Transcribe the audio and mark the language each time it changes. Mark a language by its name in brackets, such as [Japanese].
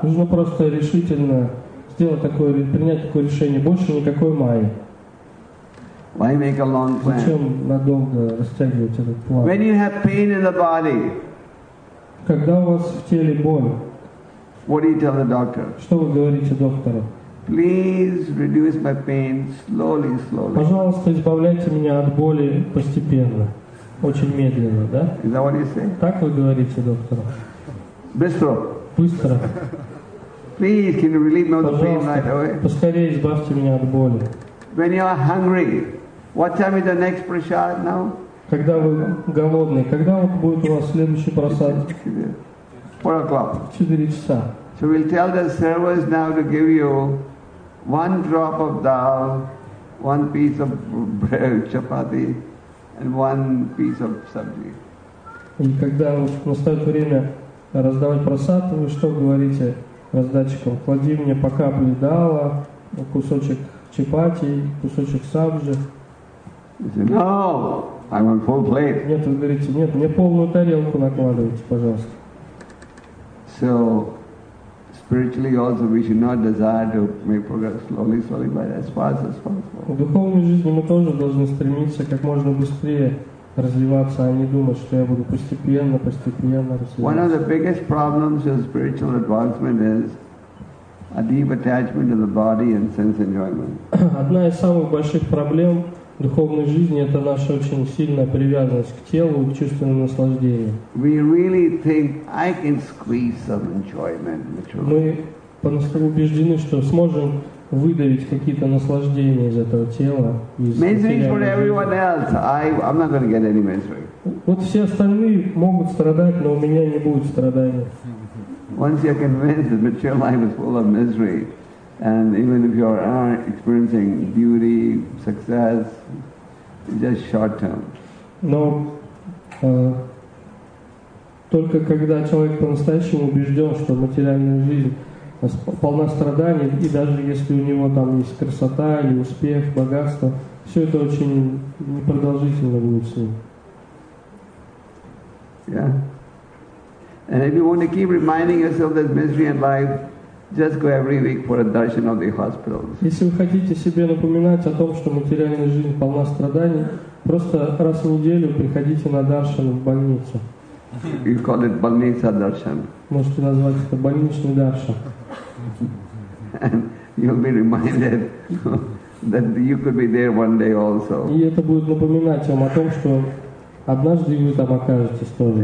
[English] You have to just [Russian] решительно сделать такое, принять такое решение, больше никакой майи. [English] Why make a long plan? [Russian] Зачем надолго растягивать этот план? [English] When you have pain in the body, [Russian] когда у вас в теле боль, [English] what do you tell the doctor? [Russian] Что вы говорите доктору? [English] Please reduce my pain slowly, slowly. [Russian] Пожалуйста, избавляйте меня от боли постепенно, очень медленно, да? [English] Is that what you say? [Russian] Так вы говорите доктору? Быстро. Быстро. [English] Please, can you relieve me of the pain right away? [Russian] Поскорее избавьте меня от боли. [English] When you are hungry, what time is the next prasad now? [Russian] Когда вы голодны, когда вот будет у вас следующий прасад? [English] 4 o'clock. [Russian] 4 часа. [English] So we'll tell the servers now to give you one drop of dal, one piece of bread, chapati, and one piece of sabji. [Russian] И когда настает время раздавать просад, вы что говорите раздатчику? Клади мне по капле дала, кусочек чапати, кусочек сабжи. [English] No, I want full plate. [Russian] Нет, вы говорите, нет, мне полную тарелку накладывайте, пожалуйста. [English] So, spiritually also we should not desire to make progress slowly, slowly, but as fast as possible. [Russian] В духовной жизни мы тоже должны стремиться как можно быстрее развиваться, а не думать, что я буду постепенно, постепенно развиваться. [English] One of the biggest problems of spiritual advancement is a deep attachment to the body and sense enjoyment. [Russian] Одна из самых больших проблем духовной жизни – это наша очень сильная привязанность к телу, к чувственным наслаждениям. [English] We really think I can squeeze some enjoyment. [Russian] Мы по-настоящему убеждены, что сможем выдавить какие-то наслаждения из этого тела. [English] Misery for everyone else. I'm not going to get any misery. [Russian] Вот все остальные могут страдать, но у меня не будет страдания. [English] Once you're convinced that material life is full of misery, and even if you are experiencing beauty, success, just short term. [Russian] Но только когда человек по-настоящему убежден, что материальная жизнь полна страданий, и даже если у него там есть красота или успех, богатство, все это очень непродолжительно будет с ним. [English] Yeah. And if you want to keep reminding yourself that misery and life, just go every week for a darshan of the hospitals. [Russian] Если вы хотите себе напоминать о том, что материальная жизнь полна страданий, просто раз в неделю приходите на даршан в больницу. [English] You call it [Russian] больница даршан. Можете назвать это больничный даршан. [English] And you'll be reminded that you could be there one day also. [Russian] И это будет напоминать вам о том, что однажды вы там окажетесь тоже.